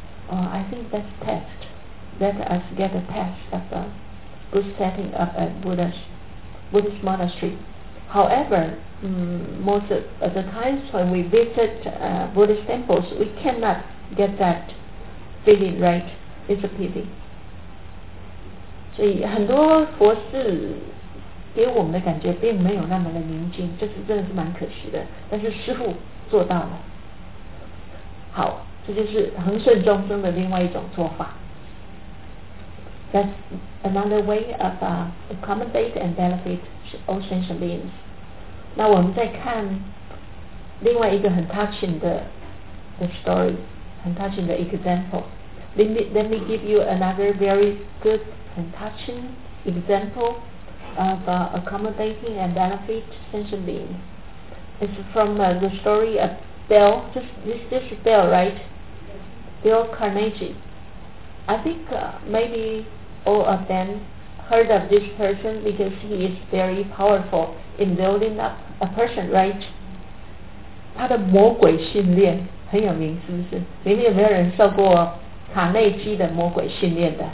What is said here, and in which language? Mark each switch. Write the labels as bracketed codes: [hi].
[en] I think that's test. Let us get a test of a good setting of a Buddhist monastery. However, most of the times when we visit Buddhist temples, we cannot get that feeling right. It's a pity. [zh] 所以很多佛寺给我们的感觉并没有那么的宁静，这是真的是蛮可惜的。但是师父做到了。好。这就是恒顺众生的另外一种做法。 [en] That's another way of accommodate and benefit all sentient beings. [zh] 那我们再看另外一个很 touching 的 story, 很 touching 的 example. [en] Let me give you another very good and touching example of accommodating and benefit sentient beings. It's from the story of Bell. This is Bell, right? Bill Carnegie. I think maybe all of them heard of this person because he is very powerful in building up a person, right? [zh] 他的魔鬼训练很有名，是不是？里面有没有人受过卡内基的魔鬼训练的？